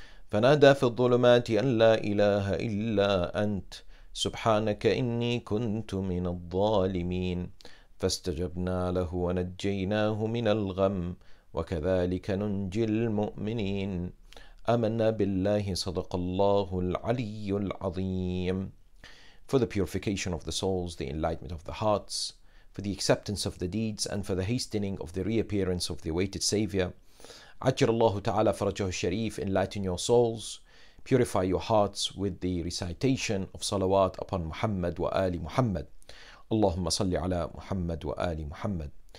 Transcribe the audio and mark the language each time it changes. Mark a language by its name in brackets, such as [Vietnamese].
[Arabic] فنادى في الظلمات أن لا إله إلا أنت سبحانك إني كنت من الظالمين فاستجبنا له ونجيناه من الغم وكذلك ننجي المؤمنين آمنا بالله صدق الله العلي العظيم. [English] For the purification of the souls, the enlightenment of the hearts, for the acceptance of the deeds, and for the hastening of the reappearance of the awaited Savior. [Arabic] عجر الله تعالى فرجه الشريف, [English] enlighten your souls, purify your hearts with the recitation of salawat upon Muhammad wa Ali Muhammad. [Arabic] اللهم صل على محمد وآل محمد.